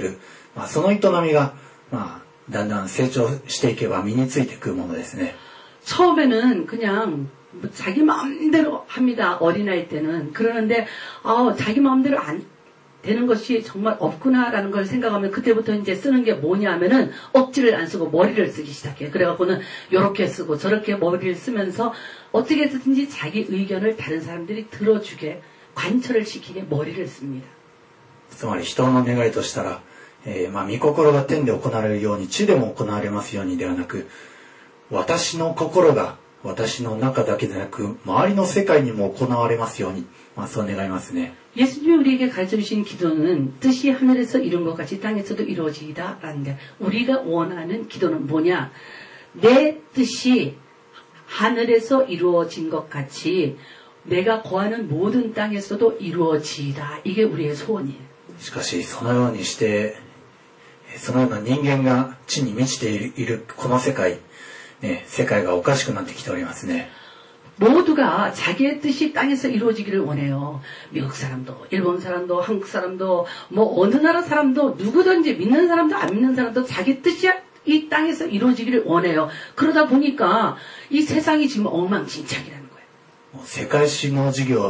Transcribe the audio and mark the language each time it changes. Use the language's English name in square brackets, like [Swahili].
[Japanese] そこでですね、なんとか自分の知恵と力をやりくりして周りをなんとか自分の思い通りに持っていこうとする、その営みが、 단단 성장していけば身についてくものですね. [Korean] 처음에는 그냥 자기 마음대로 합니다. 어린아이 때는 그러는데 자기 마음대로 안 되는 것이 정말 없구나라는 걸 생각하면 그때부터 이제 쓰는 게 뭐냐면은 억지를 안 쓰고 머리를 쓰기 시작해요. 그래갖고는 이렇게 쓰고 저렇게 머리를 쓰면서 어떻게든지 자기 의견을 다른 사람들이 들어주게 관철을 시키게 머리를 씁니다. [Japanese] 人の願いとしたら 御心が天で行われるように地でも行われますようにではなく私の心が私の中だけでなく周りの世界にも行われますように、そう願いますね。 [Korean] 예수님이 우리에게 가르치신 기도는 뜻이 하늘에서 이룬 것 같이 땅에서도 이루어지이다 라는데 우리가 원하는 기도는 뭐냐 내 뜻이 하늘에서 이루어진 것 같이 내가 거하는 모든 땅에서도 이루어지이다 이게 우리의 소원이에요. [Japanese] しかしそのようにして そのような人間が地に満ちているこの世界、世界がおかしくなってきておりますね。 [Korean] 모두가 자기의 뜻이 땅에서 이루어지기를 원해요. 미국 사람도, 일본 사람도, 한국 사람도, 뭐 어느 나라 사람도 누구든지 믿는 사람도 안 믿는 사람도 자기 뜻이 이 땅에서 이루어지기를 원해요. 그러다 보니까 이 세상이 지금 엉망진창이라는 거예요.